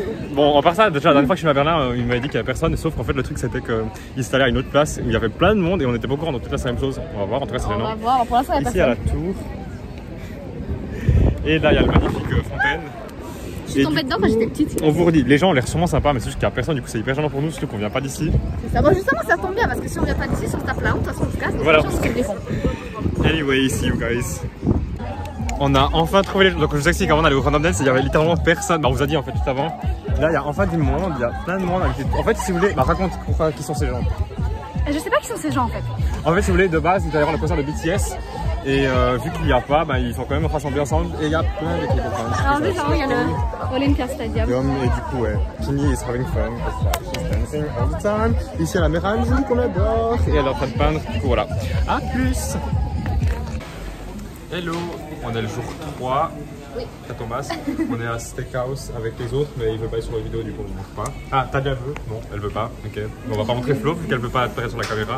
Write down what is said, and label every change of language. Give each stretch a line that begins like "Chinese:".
French: Bon, en part ça, déjà la dernière fois que je suis à Berlin, il m'avait dit qu'il y avait personne, sauf qu'en fait le truc c'était qu'il s'est allé à une autre place où il y avait plein de monde et on était pas au courant, donc peut-être c'est la même chose. On va voir, en tout cas c'est gênant. On va voir, pour l'instant y'a personne. Ici y'a la tour. Et là y'a la magnifique fontaine. Je suis tombée dedans quand j'étais petite. On vous redit, les gens ont l'air sûrement sympas, mais c'est juste qu'il n'y a personne, du coup c'est hyper gênant pour nous, surtout qu'on vient pas d'ici. C'est ça. Bon, justement, ça tombe bien parce que si on vient pas d'ici, si on tape la honte, on se casse. Voilà. Les gens,
English: anyway, see you guys.
French: On a enfin trouvé les gens. Donc je vous explique, avant d'aller au Random Dance, il y avait littéralement personne. Bah, on vous a dit en fait juste avant. Là, il y a enfin du monde, il y a plein de monde. Avec... En fait, si vous voulez, bah, raconte pourquoi, qui sont ces gens. Je sais pas qui sont ces gens en fait. En fait, si vous voulez, de base, il va y avoir le concert de BTS. Et vu qu'il n'y a pas, bah, ils sont quand même rassemblés ensemble et il y a plein de clips. Alors, déjà, il y a le Olympia Stadium. Et du coup, ouais,
English: Kimi is having fun. She's dancing all the time.
French: Ici, il y a la mère Angie qu'on adore. Et elle est en train de peindre. Du coup, voilà. A plus. Hello. On est le jour 3. Oui. T'as Thomas. On est à Steakhouse avec les autres, mais il ne veut pas être sur la vidéo, du coup, on ne montre pas. Ah, Tania veut. Non, elle ne veut pas. Ok. On ne va pas montrer Flo, vu qu'elle ne veut pas apparaître sur la caméra.